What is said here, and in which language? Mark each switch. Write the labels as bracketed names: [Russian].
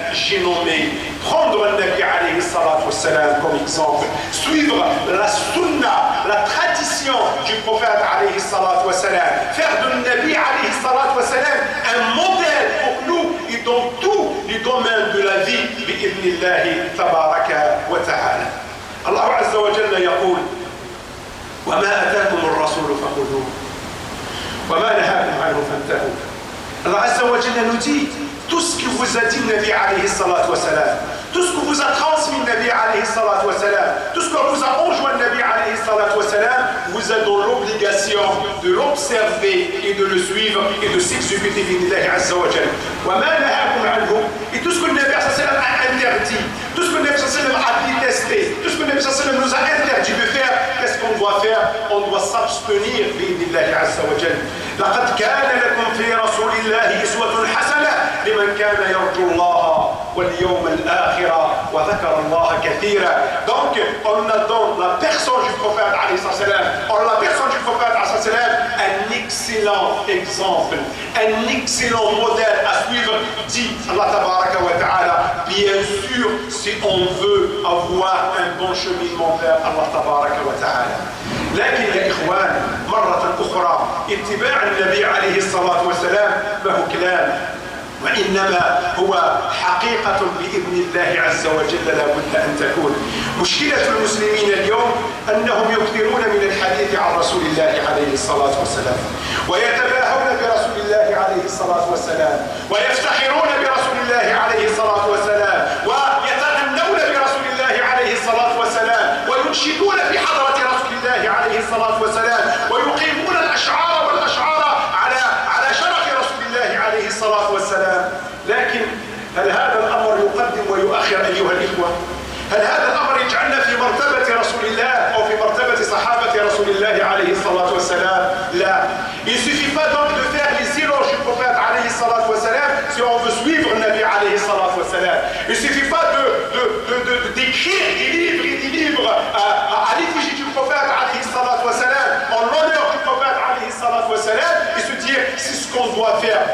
[French] J'ai nommé prendre un Nabi alayhi salat wa salam comme exemple, suivre la sunna, la tradition du prophète alayhi salat wa salam, faire de Nabi alayhi salat wa salam un modèle pour nous et dans tous les domaines de la vie, [Arabic] بإذن الله تبارك وتعالى. الله عز وجل يقول: وما أتاكم الرسول فخذوه وما نهاكم عنه فانتهوا. الله عز وجل نتيت [French] tout ce que vous a dit Nabi alayhi salat wa salam, tout ce que vous a transmis Nabi alayhi salat wa salam, tout ce que vous a enjoint Nabi alayhi salat wa salam, vous êtes dans l'obligation de l'observer et de le suivre et de s'exécuter bi Allah azza wa jal. [Arabic] Wa ma nahakum anhu, [French] et tout ce que Nabi salat a interdit, tout ce que Nabi salat a détesté, tout ce que Nabi salat nous a interdit de faire, qu'est-ce qu'on doit faire? On doit s'abstenir bi Allah azza wa jal. [Arabic] لقد كان لكم في رسول الله اسوة حسنة لمن كان يرجو الله واليوم الآخر وذكر الله كثيرا. [French] Donc on a donc la personne du prophète عليه الصلاة والسلام, on la personne du prophète عليه الصلاة والسلام, un excellent exemple, un excellent modèle à suivre, dit Allah تبارك وتعالى. Bien sûr, si on veut avoir un bon cheminement vers Allah تبارك وتعالى. [Arabic] لكن يا إخوان, مرة أخرى, اتباع النبي عليه الصلاة والسلام ما هو كلام, وإنما هو حقيقة بإذن الله عز وجل لا بد أن تكون. مشكلة المسلمين اليوم أنهم يكثرون من الحديث عن رسول الله عليه الصلاة والسلام، ويتباهون برسول الله عليه الصلاة والسلام، ويفتخرون برسول الله عليه الصلاة والسلام، ويتغنون برسول الله عليه الصلاة والسلام، وينشدون في حضرة رسول الله عليه الصلاة والسلام، ويقيمون الأشعار والأشعار على شرف رسول الله عليه الصلاة والسلام. لكن هل هذا الأمر يقدم ويؤخر أيها الإخوة؟ هل هذا الأمر يجعلنا في مرتبة رسول الله أو في مرتبة صحابة رسول الله عليه الصلاة والسلام؟ لا. [French] Il suffit pas donc de faire les éloges du prophète عليه الصلاة والسلام si on veut suivre النبي عليه الصلاة والسلام. Il suffit pas d'écrire des livres à l'effigie du prophète عليه الصلاة والسلام en l'honneur du prophète عليه الصلاة والسلام et se dire c'est ce qu'on doit faire.